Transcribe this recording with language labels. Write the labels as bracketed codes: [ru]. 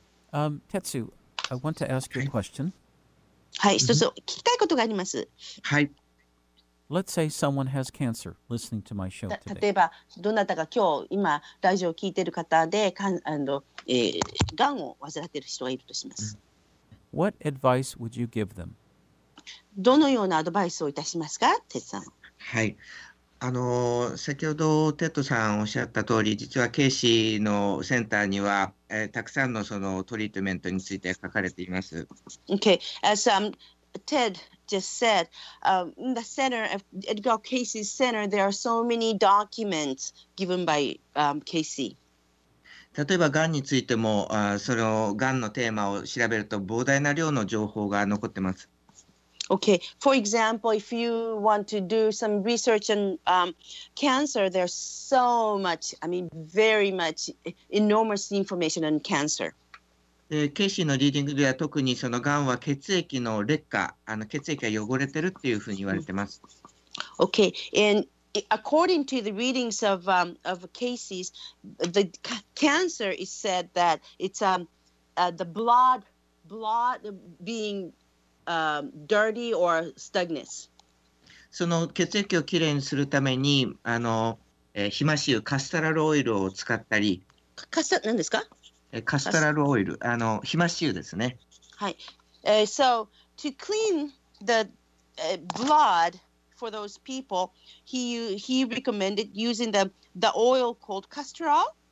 [en] Tetsu, I want to ask you a question. [ja] はい、一つ聞きたいことがあります。はい。 [en] Let's say someone has cancer listening to my show today. [ja] 例えば、どなたが今日、今、ラジオを聞いている方で、がんを患っている人がいるとします。 [en] What advice would you give them? [ja] どのようなアドバイスをいたしますか、テッドさん。はい。先ほどテッドさんおっしゃった通り、実はケイシーのセンターには、たくさんのそのトリートメントについて書かれています。 [en] Okay. As, Ted just said, in the center of Edgar Cayce's center, there are so many documents given by Cayce. [ja] 例えば、がんについても、そのがんのテーマを調べると、膨大な量の情報が残ってます。 [en] Okay. For example, if you want to do some research on cancer, there's so much, I mean, very much enormous information on cancer. [ja] ケイシーのリーディングでは特にそのがんは血液の劣化、血液が汚れてるっていうふうに言われてます。 [en] Okay, and according to the readings of, of Casey's, the cancer is said that it's the blood being dirty or stagnant. [ja] その血液をきれいにするために、ひまし油、カスタラルオイルを使ったり。カスタ、何ですか？カスタラルオイル、ひまし油ですね。はい。 [en] So, to clean the blood for those people, he recommended using the oil called castor oil.